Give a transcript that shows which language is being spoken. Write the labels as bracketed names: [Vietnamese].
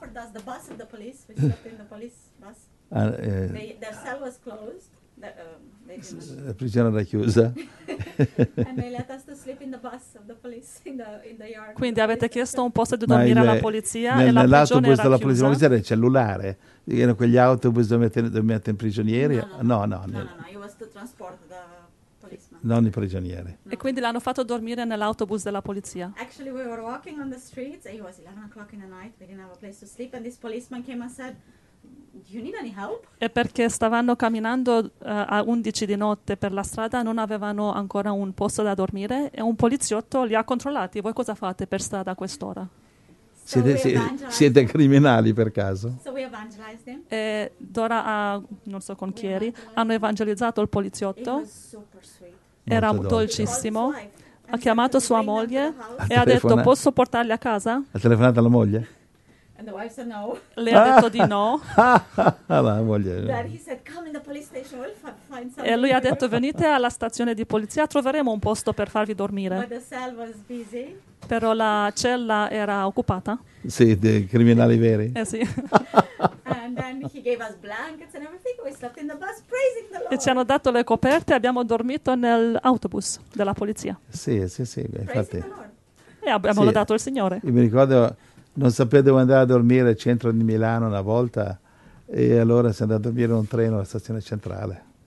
[English] The bus of the police, we slept in the police bus. Their cell was closed. [Italian] La prigione era chiusa. [English] And they let us to sleep in the bus of the police in the yard. [Italian] Quindi avete chiesto un posto di dormire alla polizia e la prigione era della polizia, chiusa. Era il cellulare. Erano quegli autobus dove mette in prigionieri? [English] No, it was to transport the policeman. [Italian] Non i prigionieri. No. E quindi l'hanno fatto dormire nell'autobus della polizia. [English] Actually we were walking on the streets and it was 11 o'clock in the night. We didn't have a place to sleep and this policeman came and said, do you need any help? [Italian] E perché stavano camminando a 11 di notte per la strada, non avevano ancora un posto da dormire e un poliziotto li ha controllati. Voi cosa fate per strada a quest'ora? Siete criminali per caso? [English] So we evangelized him. [Italian] E Dora ha, non so con chi eri, hanno evangelizzato il poliziotto. Era molto dolcissimo. Ha chiamato sua moglie e ha detto, posso portarli a casa? Ha telefonato alla moglie? [English] And the wife said no. [Italian] Le ha detto di no. La moglie. [English] Then he said, come in the police station, we'll find something. [Italian] E lui ha detto, venite alla stazione di polizia, troveremo un posto per farvi dormire. [English] But the cell was busy. [Italian] Però la cella era occupata. Sì, dei criminali veri. Eh sì. [English] And then he gave us blankets and everything. We slept in the bus, praising the Lord. [Italian] E ci hanno dato le coperte, abbiamo dormito nell'autobus della polizia. Sì, sì, sì. Infatti. [English] Praising the Lord. [Italian] E abbiamo lodato il Signore. Io mi ricordo. Non sapevo dove andare a dormire, centro di Milano una volta, e allora si è andato a dormire in un treno alla stazione centrale.